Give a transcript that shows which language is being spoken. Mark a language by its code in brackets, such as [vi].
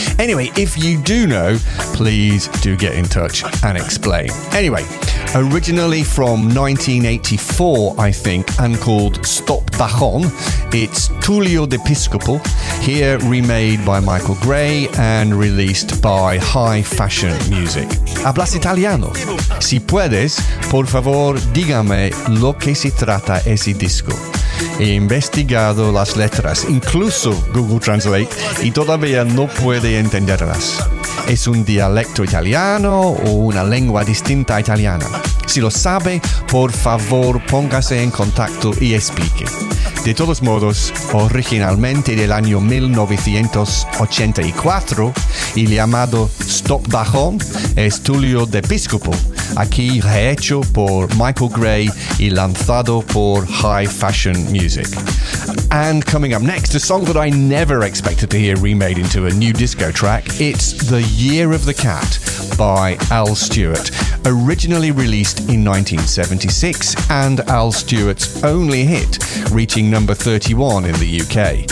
[en] Anyway, if you do know, please do get in touch and explain. Anyway, originally from 1984, I think, and called Stop Bajon. It's Tulio de Piscopo, here remade by Michael Gray and released by High Fashion Music. [es] ¿Hablas italiano? Si puedes, por favor, dígame lo que se trata ese disco. He investigado las letras, incluso Google Translate, y todavía no puede entenderlas. ¿Es un dialecto italiano o una lengua distinta italiana? Si lo sabe, por favor, póngase en contacto y explique. De todos modos, originalmente del año 1984, y llamado Stop Bajon, es Tulio de Piscopo, aquí rehecho por Michael Gray y lanzado por High Fashion Music. [en] And coming up next, a song that I never expected to hear remade into a new disco track. It's The Year of the Cat by Al Stewart, originally released in 1976 and Al Stewart's only hit, reaching number 31 in the UK.